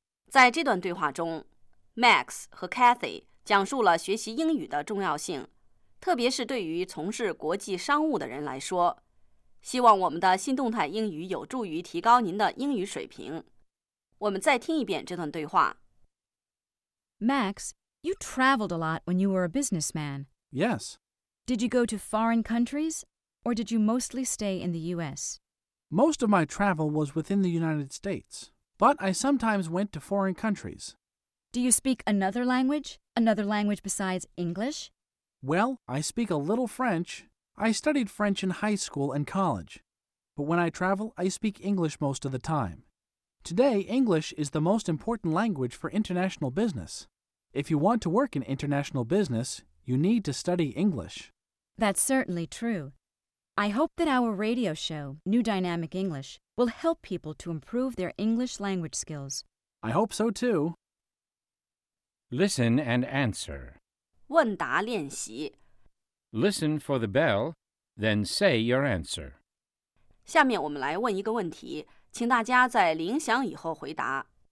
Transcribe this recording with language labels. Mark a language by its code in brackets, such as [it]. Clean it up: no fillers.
[zh] 在这段对话中 ,Max 和 Kathy 讲述了学习英语的重要性,特别是对于从事国际商务的人来说。希望我们的新动态英语有助于提高您的英语水平。我们再听一遍这段对话。 [en] Max, you traveled a lot when you were a businessman. Yes. Did you go to foreign countries, or did you mostly stay in the U.S.? Most of my travel was within the United States, but I sometimes went to foreign countries. Do you speak another language? Another language besides English? Well, I speak a little French. I studied French in high school and college. But when I travel, I speak English most of the time. Today, English is the most important language for international business. If you want to work in international business, you need to study English. That's certainly true. I hope that our radio show, New Dynamic English, will help people to improve their English language skills. I hope so, too. Listen and answer. [zh] 问答练习。 [en] Listen for the bell, then say your answer. [zh] 下面我们来问一个问题。请大家在铃响以后回答。